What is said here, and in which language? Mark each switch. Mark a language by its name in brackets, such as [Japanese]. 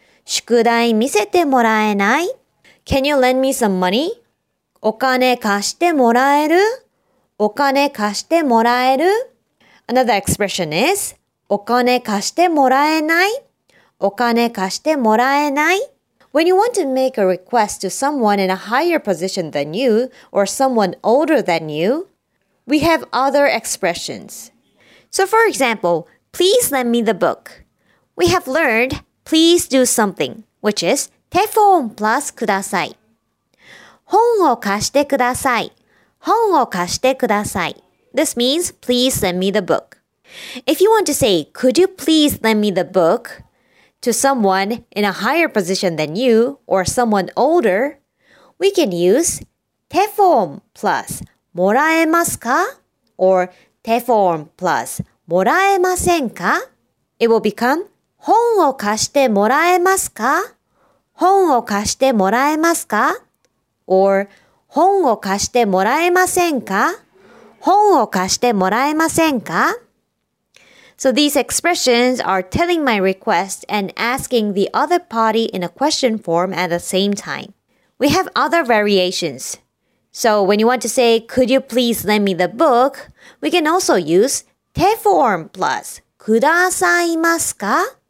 [Japanese] 宿題見せてもらえない。 [English] Can you lend me some money? [Japanese] お金貸してもらえる。お金貸してもらえる。 [English] Another expression is [Japanese] お金貸してもらえない。お金貸してもらえない。 [English] When you want to make a request to someone in a higher position than you or someone older than you,We have other expressions. So for example, please lend me the book. We have learned, please do something, which is テフォンプラスください. [Japanese] 本を貸してください。本を貸してください。 [English] This means, please lend me the book. If you want to say, could you please lend me the book to someone in a higher position than you or someone older, we can use テフォン plus もらえますか? or テフォン plus もらえませんか? It will become [Japanese] 本を貸してもらえますか? 本を貸してもらえますか? [English] or [Japanese] 本を貸してもらえませんか? 本を貸してもらえませんか? [English] So these expressions are telling my request and asking the other party in a question form at the same time. We have other variations. So when you want to say, could you please lend me the book, we can also use テフォン plus くださいますか?